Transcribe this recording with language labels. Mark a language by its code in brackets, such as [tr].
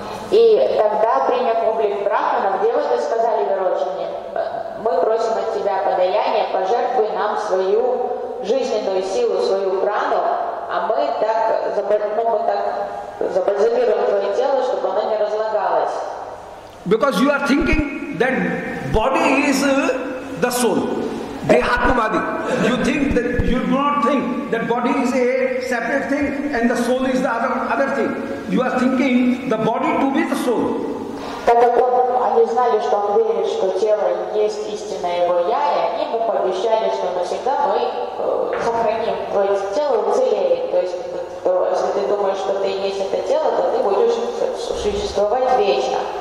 [ru] И тогда, приняв облик брахмана, девушки сказали Вирочане, мы просим от тебя подаяние, пожертвуй нам свою жизненную силу, свою прану. А мы так забальзамируем твое тело, чтобы оно не разлагалось. [en] Because you are thinking that body is the soul, Dehatma body. You think that you do not think that body is a separate thing and the soul is the other thing. You are thinking the body to be the soul. [ru] Так как они знали, что он верит, что тело есть истинное его я, и они ему пообещали, что навсегда мы сохраним твое тело, уцелеет. То есть, если ты думаешь, что ты есть это тело, то ты будешь существовать вечно.